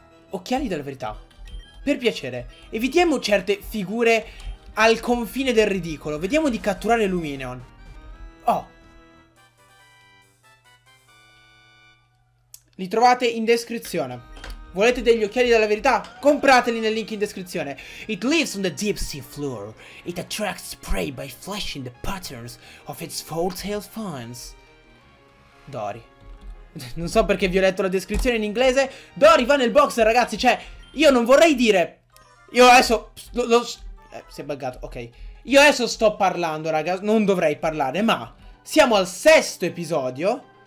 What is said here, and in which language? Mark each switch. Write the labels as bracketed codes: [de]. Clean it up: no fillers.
[it] Occhiali della verità. Per piacere, evitiamo certe figure al confine del ridicolo. Vediamo di catturare Lumineon. Oh! Li trovate in descrizione. Volete degli occhiali della verità? Comprateli nel link in descrizione. [en] It lives on the deep sea floor. It attracts prey by flashing the patterns of its four-tailed fins. [it] Dori. Non so perché vi ho letto la descrizione in inglese. Dori va nel box, ragazzi. Cioè, io non vorrei dire... Io adesso... si è buggato, ok. Io adesso sto parlando, ragazzi. Non dovrei parlare, ma... siamo al sesto episodio.